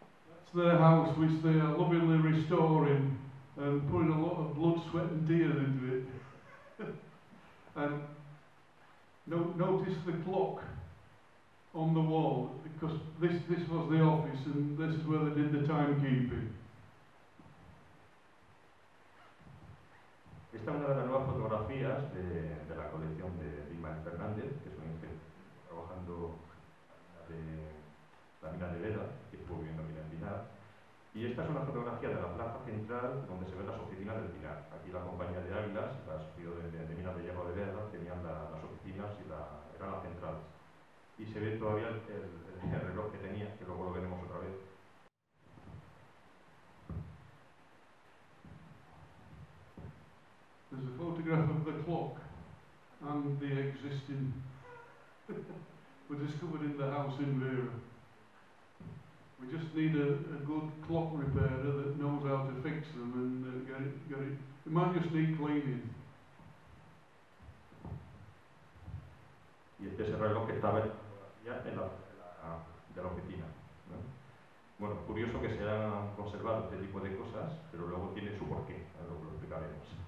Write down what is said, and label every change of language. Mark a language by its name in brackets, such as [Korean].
[English] That's their house, which they are lovingly restoring and putting a lot of blood, sweat and tears into it. And notice the clock on the wall, because this was the office, and this is where they did the timekeeping. [Spanish] Esta es una de las nuevas fotografías de la colección de Dima Fernández, que es un ingeniero trabajando la mina de Bédar, que estuvo viviendo en el Pinar. Y esta es una fotografía de la plaza central donde se ven las oficinas del Pinar. Aquí la compañía de Águilas, la sociedad de minas de hierro de Bédar, tenían las oficinas y eran las centrales. Y se ve todavía el reloj que tenía, que luego lo veremos otra vez. [English] There's a photograph of the clock and the existing we discovered in the house in Vera. We just need a good clock repairer that knows how to fix them and get it. It might just need cleaning. [Spanish] Y este es el reloj que estaba en la de la oficina, ¿no? Bueno, curioso que se hayan conservado este tipo de cosas, pero luego tiene su porqué, luego lo explicaremos.